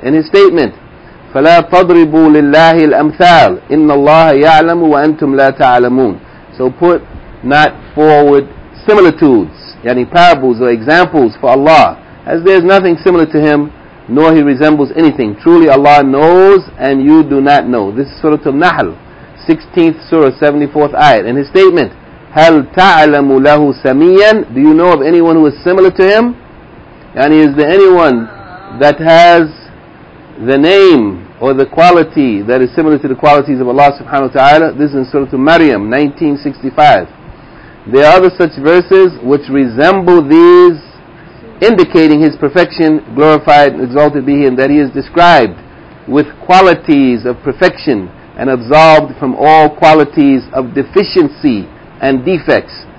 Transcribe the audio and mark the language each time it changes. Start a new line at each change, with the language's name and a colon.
English: And His statement,
Arabic: فَلَا تَضْرِبُوا لِلَّهِ الْأَمْثَالِ إِنَّ اللَّهَ يَعْلَمُ وَأَنْتُمْ لَا تَعْلَمُونَ
English: So put not forward similitudes, yani parables or examples for Allah, as there is nothing similar to Him, nor he resembles anything. Truly Allah knows and you do not know. This is Surah Al-Nahl, 16th Surah, 74th Ayat. And his statement,
Arabic: هَلْ تَعْلَمُ لَهُ سَمِيًّا?
English: Do you know of anyone who is similar to him? And is there anyone that has the name or the quality that is similar to the qualities of Allah subhanahu wa ta'ala? This is in Surah Maryam, 1965. There are other such verses which resemble these, indicating his perfection, glorified and exalted be he, and that he is described with qualities of perfection and absolved from all qualities of deficiency and defects.